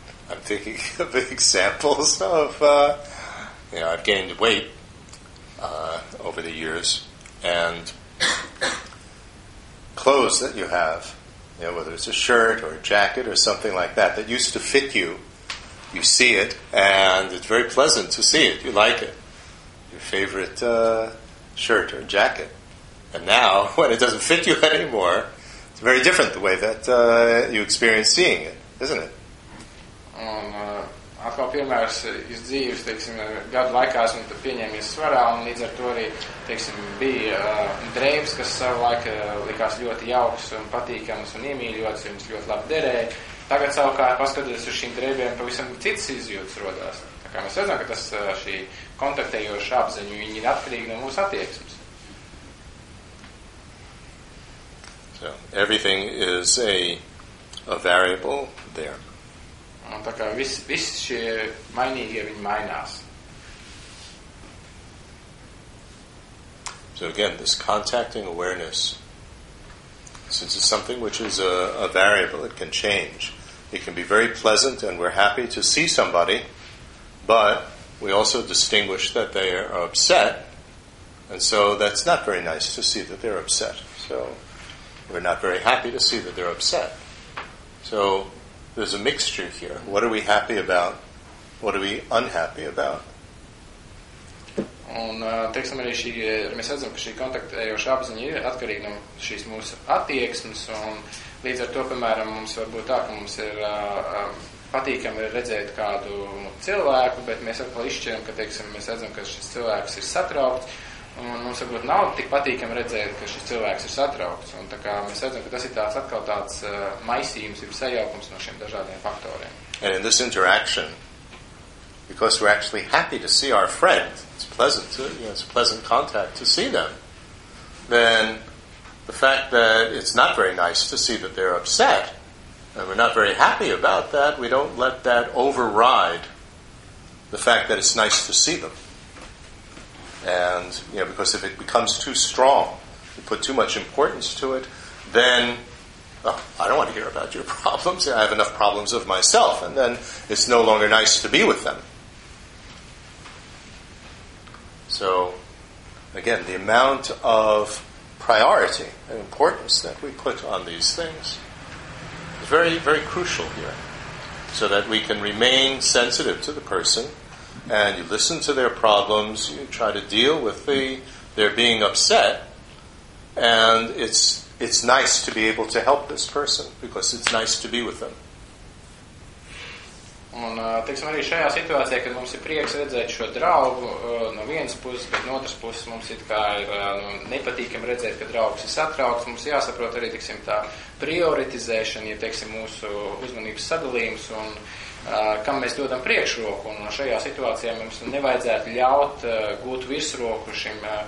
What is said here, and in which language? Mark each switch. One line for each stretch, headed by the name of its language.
English: I'm thinking of examples of, you know, I've gained weight over the years, and clothes that you have, you know, whether it's a shirt or a jacket or something like that, that used to fit you, you see it, and it's very pleasant to see it, you like it, your favorite shirt or jacket, and now, when it doesn't fit you anymore, it's very different the way that you experience seeing it, isn't it?
Latvian: Un atkal piemērs iz dzīves, teiksim, gadu laikā esmu tad pieņēmies svarā, un līdz ar to arī, teiksim, bija drēbes, kas savu laiku likās ļoti jauks un patīkams un iemīļots, viņas ļoti labi derēja. Tagad savukārt paskatoties uz šīm drēbēm, pavisam cits izjūtas rodās. Tā kā mēs redzam, ka tas šī kontaktējoša apziņa, viņa ir atkarīga no mūsu attieksmes.
English: So, everything is a variable there.
Latvian: Un tā kā visi šie mainīgie, viņi mainās.
English: So again, this contacting awareness, since it's something which is a variable, it can change. It can be very pleasant and we're happy to see somebody, but we also distinguish that they are upset, and so that's not very nice to see that they're upset. So we're not very happy to see that they're upset. So... There's a mixture here. What are we happy about? What are we unhappy about?
Latvian: Un, teiksim, arī šī, mēs redzam, ka šī kontaktējoša apziņa ir atkarīga no šīs mūsu attieksmes, un līdz ar to, piemēram, mums var būt tā, ka mums ir patīkami redzēt kādu cilvēku, bet mēs atkal izšķiram, ka, teiksim, mēs redzam, ka šis cilvēks ir satraukts, un mums varbūt nav tik patīkami redzēt, ka šis cilvēks ir satraukts. Un tā kā mēs redzam, ka tas ir tāds atkal tāds maisījums, ir sajaukums no šiem dažādiem faktoriem.
English: And in this interaction, because we're actually happy to see our friend, it's pleasant, to, you know, it's a pleasant contact to see them, then the fact that it's not very nice to see that they're upset, and we're not very happy about that, we don't let that override the fact that it's nice to see them. And, you know, because if it becomes too strong, you put too much importance to it, then, oh, I don't want to hear about your problems. I have enough problems of myself. And then it's no longer nice to be with them. So, again, the amount of priority and importance that we put on these things is very, very crucial here, so that we can remain sensitive to the person, and you listen to their problems, you try to deal with their being upset, and it's nice to be able to help this person because it's nice to be with them.
Latvian: Un, teiksim, arī šajā situācijā, kad mums ir prieks redzēt šo draugu no vienas puses, bet no otras puses mums ir kā nepatīkami redzēt, ka draugs ir satraukts, mums jāsaprot arī, teiksim, tā prioritizēšana, ja, teiksim, mūsu uzmanības sadalījums un kam mēs dodam priekšroku, un šajā situācijā mums nevajadzētu ļaut gūt virsroku šim